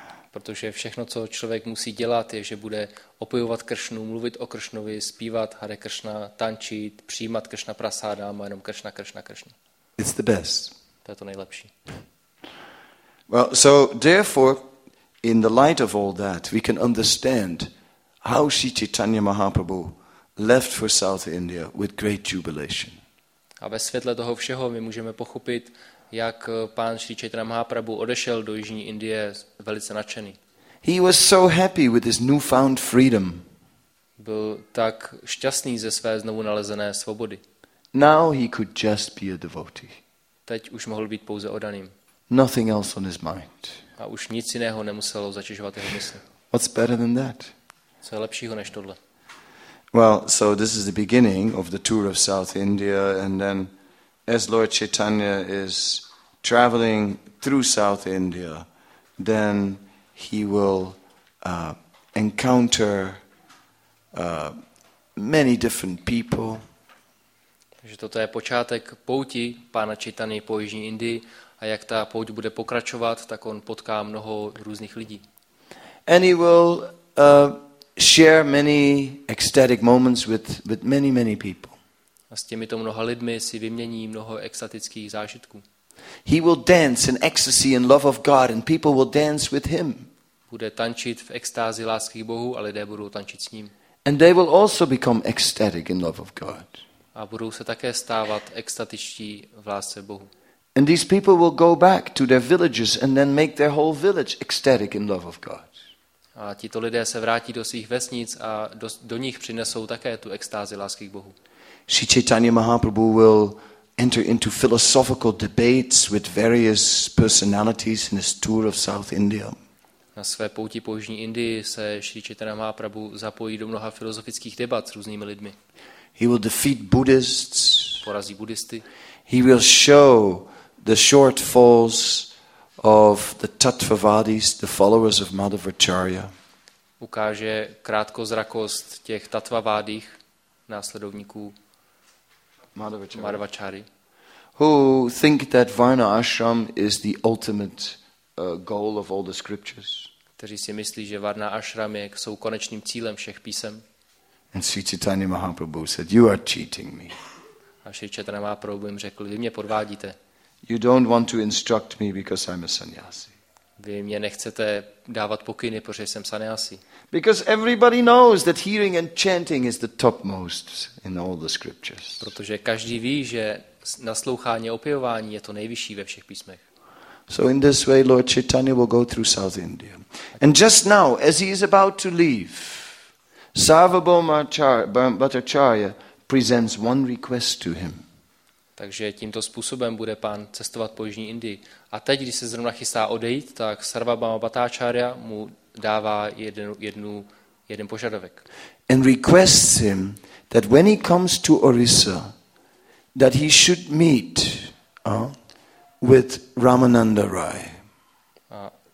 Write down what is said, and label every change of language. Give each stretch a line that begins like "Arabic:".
Czech: Protože všechno, co člověk musí dělat, je, že bude opojovat Kršnu, mluvit o Kršnovi, zpívat Hare Krishna, tančit, přijímat Krishna prasadam, a jenom Krishna, Krishna, Krishna.
English: It's the best.
Czech: To je to nejlepší.
English: Well, so therefore, in the light of all that, we can understand how Sri Chaitanya Mahaprabhu left for South India with great jubilation.
Czech: A ve světle toho všeho my můžeme pochopit, jak pán Sri Chaitanya Mahaprabhu odešel do jižní Indie velice nadšený.
English: He was so happy with his newfound freedom.
Czech: Byl tak šťastný ze své znovu nalezené svobody.
English: Now he could just be a devotee.
Czech: Teď už mohl být pouze oddaným.
English: Nothing else on his mind.
Czech: A už nic jiného nemuselo zatěžovat jeho mysl.
English: What's better than that?
Czech: Co je lepšího než tohle?
English: Well, so this is the beginning of the tour of South India, and then as Lord Chaitanya is traveling through South India, then he will encounter many different people.
Czech: Takže toto je počátek pouti pána Chaitany po jižní Indii. A jak ta pouť bude pokračovat, tak on potká mnoho různých lidí.
English: And he will share many ecstatic moments with many, many people.
Czech: A s těmito mnoha lidmi si vymění mnoho extatických zážitků.
English: He will dance in ecstasy and love of God, and people will dance with him.
Czech: Bude tančit v extázi lásky k Bohu a lidé budou tančit s ním.
English: And they will also become ecstatic in love of God.
Czech: A budou se také stávat extatičtí v lásce Bohu.
English: And these people will go back to their villages and then make their whole village ecstatic in love of God.
Czech: A tito lidé se vrátí do svých vesnic a do nich přinesou také tu extázi lásky k Bohu.
English: Sri Chaitanya Mahaprabhu will enter into philosophical debates with various personalities in his tour of South India.
Czech: Na své pouti po jižní Indii se Sri Chaitanya Mahaprabhu zapojí do mnoha filozofických debat s různými lidmi.
English: He will defeat Buddhists.
Czech: Porazí buddhisty.
English: He will show the shortfalls of the Tattvavadis, the followers of Madhvacharya.
Czech: Ukáže krátkozrakost těch Tattvavadích, následovníků Madhvacharya,
English: who think that Varna Ashram is the ultimate goal of all the scriptures.
Czech: Kteří si myslí, že Varna Ashram je jsou konečným cílem všech písem.
English: And Sri Chaitanya Mahaprabhu said, "You are cheating me."
Czech: A Sri Chaitanya Mahaprabhu jim řekl, vy mě podvádíte.
English: You don't want to instruct me because I'm a sannyasi.
Czech: Vy mě nechcete dávat pokyny, protože jsem sannyasi.
English: Because everybody knows that hearing and chanting is the topmost in all the scriptures.
Czech: Protože každý ví, že naslouchání a opěvování je to nejvyšší ve všech písmech.
English: So in this way Lord Chaitanya will go through South India. And just now as he is about to leave, Sarvabhauma Bhattacharya presents one request to him.
Czech: Takže tímto způsobem bude pán cestovat po jižní Indii. A teď, když se zrovna chystá odejít, tak Sarvabhauma Bhattacharya mu dává jeden požadavek.
English: And requests him that when he comes to Orissa, that he should meet with Ramananda Rai.